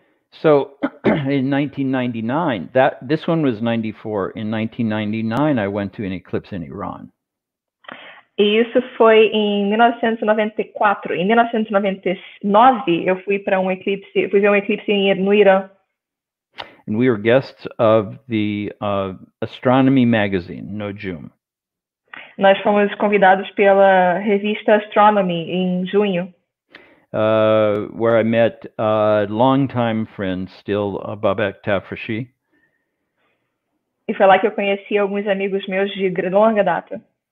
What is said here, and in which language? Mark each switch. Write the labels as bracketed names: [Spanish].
[English] So, in 1999, this one was 94. In 1999, I went to an eclipse in Iran. [Portuguese] E isso foi em 1994. Em 1999, eu fui para um eclipse, fui ver um eclipse no Irã. [English] And we were guests of the Astronomy magazine, Nojum. [Portuguese] Nós fomos convidados pela revista Astronomy em junho. [English] Where I met a longtime friend, still Babak Tafrashi. [Portuguese] E foi lá que eu conheci alguns amigos meus de longa data.